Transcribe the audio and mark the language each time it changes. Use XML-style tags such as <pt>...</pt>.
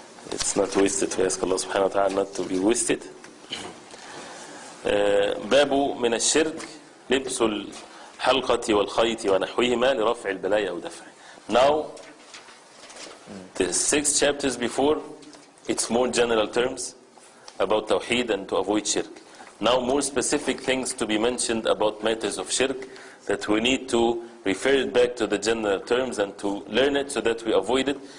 <en>It's not wasted to ask Allah subhanahu wa ta'ala not to be wasted.</en> <ar>بابو من الشرك لبس الحلقة والخيط ونحوهما لرفع البلايا أو دفع.</ar> <en>Now, the six chapters before, it's more general terms about Tawhid and to avoid shirk. Now, more specific things to be mentioned about matters of shirk that we need to refer it back to the general terms and to learn it so that we avoid it.</en>